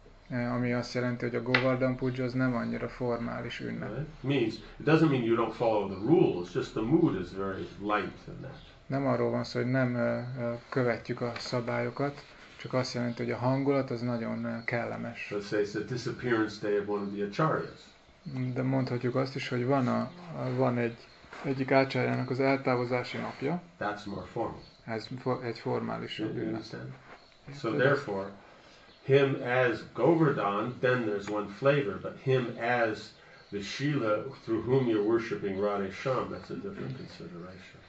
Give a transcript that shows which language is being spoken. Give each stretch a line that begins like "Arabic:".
Hungarian: Ami azt jelenti, hogy a Govardhan Puja az nem annyira formális ünnep.
English: It doesn't mean you don't follow the rules, just the mood is very light in that.
Hungarian: Nem arról van szó, hogy nem követjük a szabályokat, csak azt jelenti, hogy a hangulat az nagyon kellemes.
English: Let's say it's a disappearance day of one of the acharyas.
Hungarian: De mondhatjuk azt is, hogy van, van egy egyik ácsájának az eltávozási napja.
English: That's more formal.
Hungarian: Ez egy formális ünnep.
English: So therefore, him as Govardhan, then there's one flavor, but him as the Shila through whom you're worshipping Radhe Shyam, that's a different consideration.